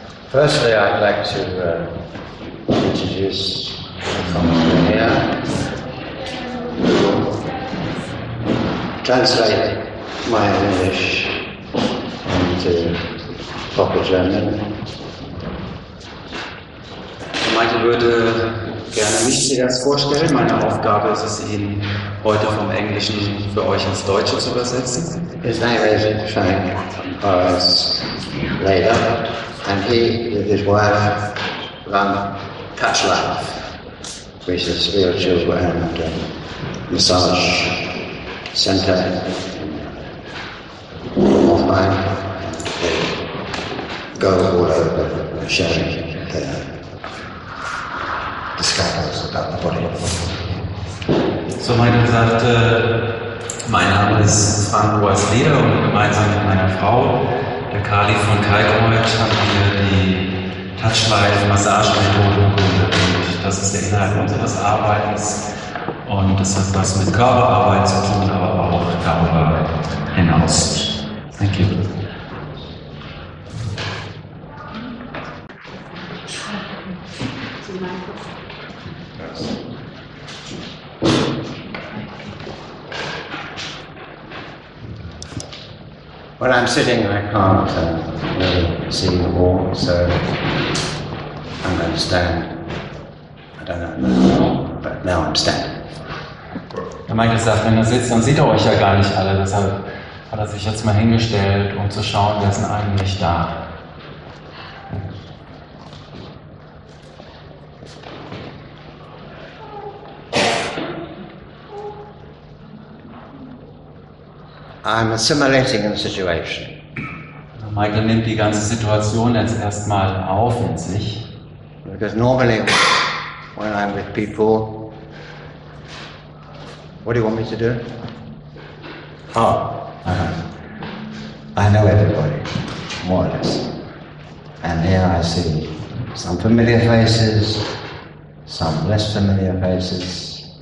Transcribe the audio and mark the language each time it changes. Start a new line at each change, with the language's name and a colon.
English: Firstly, I'd like to introduce someone here, translate my English into proper German.
German: Michael würde gerne mich zuerst vorstellen. Meine Aufgabe ist es, ihn heute vom Englischen für euch ins Deutsche zu übersetzen.
English: His name is Frank Horace Leder. And he, with his wife, run Touch Life, which is a spiritual brand and a massage center offline. They go all over sharing their discoveries about the body.
German: So, Michael sagt, mein Name ist Frank Weiss-Leder und gemeinsam mit meiner Frau, der Kali von Kalkreuth, haben wir die Touchlight-Massage-Methode gegründet. Und das ist der Inhalt unseres Arbeitens. Und das hat was mit Körperarbeit zu tun, aber auch darüber hinaus.
English: Thank you. When I'm sitting, I can't really see the wall, so I'm going to stand. I don't know, but now I'm standing.
German: Herr Michael sagt, wenn er sitzt, dann sieht er euch ja gar nicht alle. Deshalb hat er sich jetzt mal hingestellt, um zu schauen, wer ist denn eigentlich da.
English: I'm assimilating the situation.
German: Michael nimmt die ganze Situation jetzt erstmal auf in sich.
English: Because normally, when I'm with people, what do you want me to do? Oh, I know everybody, more or less. And here I see some familiar faces, some less familiar faces.